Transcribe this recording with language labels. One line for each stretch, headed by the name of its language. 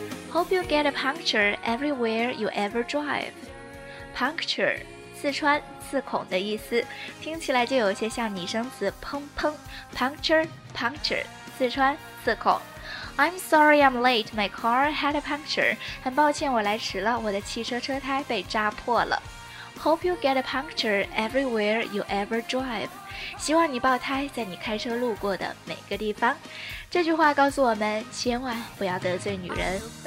English: Hope you get a puncture everywhere you ever drive.
Chinese: Puncture, 刺穿、刺孔的意思，听起来就有些像拟声词砰砰。 Puncture, puncture, 刺穿、刺孔。
English: I'm sorry I'm late, my car had a puncture.
Chinese: 很抱歉我来迟了，我的汽车车胎被扎破了。
English: Hope you get a puncture everywhere you ever drive.
Chinese: 希望你爆胎在你开车路过的每个地方。这句话告诉我们，千万不要得罪女人。